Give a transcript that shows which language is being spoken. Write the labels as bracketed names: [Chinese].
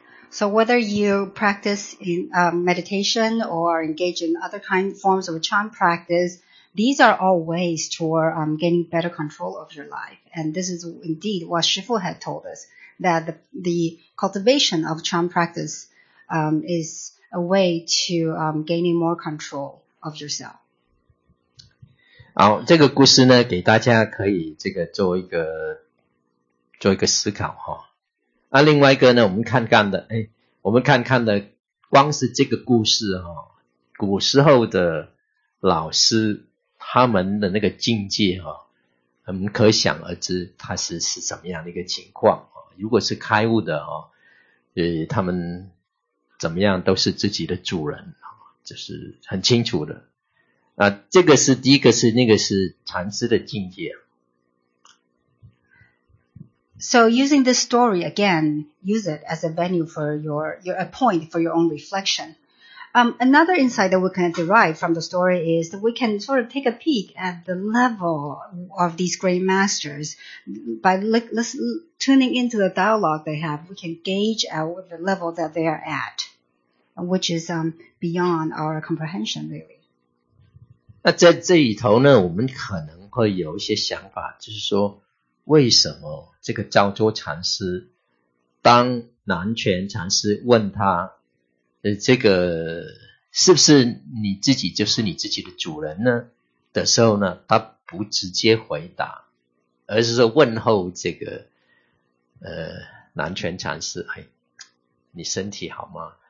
[English] So whether you practice in meditation or engage in other kind forms of chan practice, these are all ways toward getting better control of your life. And this is indeed what Shifu had told us, that the cultivation of chan practice is a way to gaining more control of yourself. [Chinese] 好，这个故事呢，给大家可以这个做一个思考哈。那另外一个呢，我们看看的，我们看看的，光是这个故事哈，古时候的老师他们的那个境界哈，很可想而知，他是怎么样的一个情况啊？如果是开悟的哈，他们怎么样都是自己的主人，就是很清楚的。啊，这个是第一个是那个是禅师的境界。 [English] So using this story again, use it as a venue for your a point for your own reflection. Another insight that we can derive from the story is that we can sort of take a peek at the level of these great masters by tuning into the dialogue they have. We can gauge at the level that they are at, which is beyond our comprehension, really. [Chinese] 那在这里头呢，我们可能会有一些想法，就是说为什么这个昭州禅师，当南泉禅师问他这个是不是你自己就是你自己的主人呢的时候呢，他不直接回答，而是说问候这个南泉禅师，你身体好吗？